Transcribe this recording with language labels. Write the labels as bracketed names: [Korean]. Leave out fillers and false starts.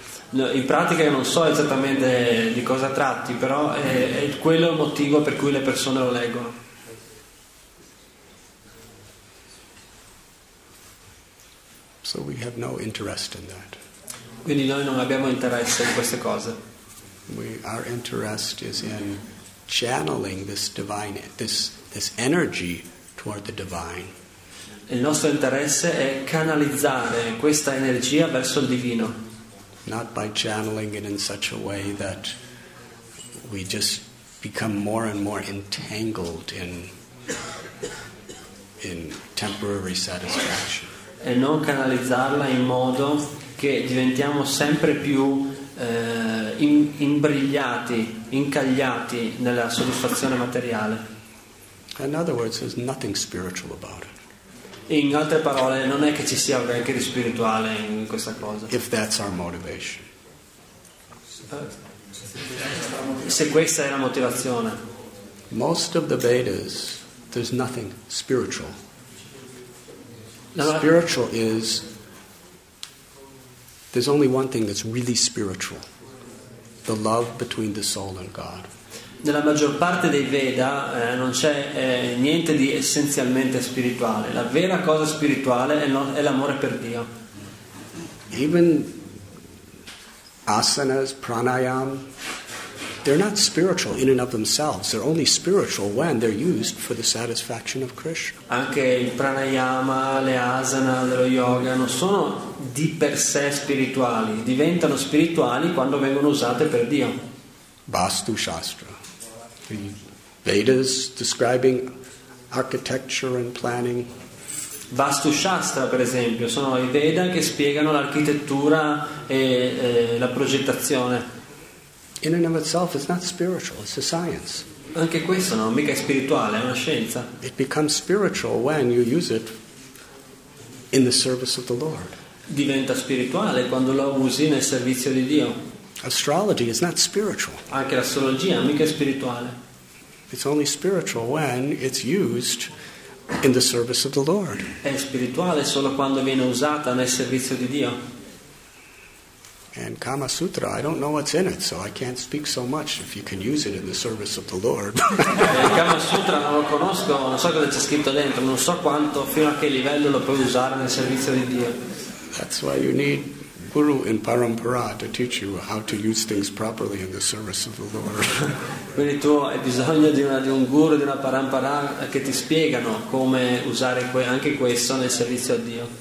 [Italian] No, in pratica io non so esattamente di cosa tratti, però è quello il motivo per cui le persone lo leggono. [English] So we have no interest in that. [Italian] Quindi noi non abbiamo interesse in queste cose. [English] Our interest is in channeling this divine, this energy toward the divine. [Italian] Il nostro interesse è canalizzare questa energia verso il divino. [English] Not by channeling it in such a way that we just become more and more entangled in temporary satisfaction. [Italian] E non canalizzarla in modo che diventiamo sempre più imbrigliati, incagliati nella soddisfazione materiale. [English] In other words, there's nothing spiritual about it. [Italian] In altre parole, non è che ci sia neanche di spirituale in questa cosa. [English] If that's our motivation. [Italian] Se questa è la motivazione. [English] Most of the Vedas, there's nothing spiritual. Spiritual is, there's only one thing that's really spiritual: the love between the soul and God. [Italian] Nella maggior parte dei Veda non c'è niente di essenzialmente spirituale. La vera cosa spirituale è l'amore per Dio. [English] Even asanas, pranayam, they're not spiritual in and of themselves. They're only spiritual when they're used for the satisfaction of Krishna. [Italian] Anche il pranayama, le asana, lo yoga non sono di per sé spirituali. Diventano spirituali quando vengono usate per Dio. [English] Vastu Shastra. The Vedas describing architecture and planning. [Italian] Vastu Shastra, per esempio, sono i Veda che spiegano l'architettura e la progettazione. [English] In and of itself, it's not spiritual, it's a science. [Italian] Anche questo non mica è spirituale, è una scienza. [English] It becomes spiritual when you use it in the service of the Lord. [Italian] Diventa spirituale quando lo usi nel servizio di Dio. [English] Astrology is not spiritual. [Italian] Anche l'astrologia non è spirituale. [English] It's only spiritual when it's used in the service of the Lord. [Italian] È spirituale solo quando viene usata nel servizio di Dio. [English] And Kama Sutra, I don't know what's in it, so I can't speak so much if you can use it in the service of the Lord. [Italian] Kama Sutra non lo conosco, non so cosa c'è scritto dentro, non so quanto, fino a che livello lo puoi usare nel servizio di Dio. [English] That's why you need Guru in Parampara to teach you how to use things properly in the service of the Lord. [Italian] Quindi tu hai bisogno di un guru, di una parampara che ti spiegano come usare anche questo nel servizio a Dio.